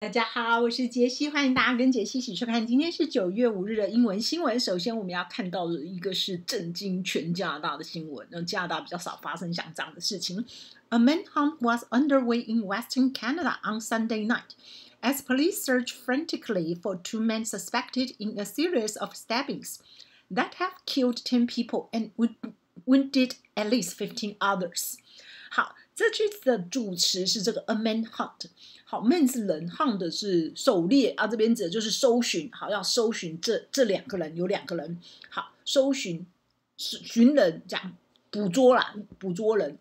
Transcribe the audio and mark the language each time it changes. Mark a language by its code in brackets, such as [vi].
[zh] 大家好，我是杰西，欢迎大家跟杰西一起收看。今天是9月5日的英文新闻。首先我们要看到的一个是震惊全加拿大的新闻，那加拿大比较少发生像这样的事情。 [en] A manhunt was underway in Western Canada on Sunday night as police searched frantically for two men suspected in a series of stabbings that have killed 10 people and wounded at least 15 others. [zh] 好，这句子的主词是这个 a manhunt。好 ，man 是人 ，hunt 是狩猎啊，这边指的就是搜寻。好，要搜寻这两个人，有两个人。好，搜寻寻人，这样捕捉啦，捕捉人。